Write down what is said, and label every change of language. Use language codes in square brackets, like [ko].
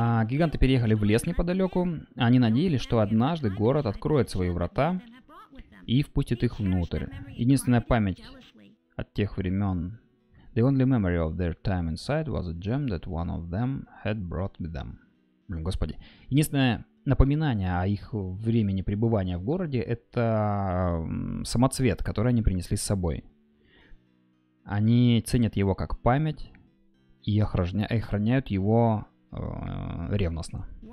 [ru] Гиганты переехали в лес неподалеку. Они надеялись, что однажды город откроет свои врата и впустит их внутрь. Единственная память от тех времен... [en] The only memory of their time inside was a gem that one of them had brought with them. [ru] Блин, господи. Единственное напоминание о их времени пребывания в городе — это самоцвет, который они принесли с собой. Они ценят его как память и охраняют его ревностно.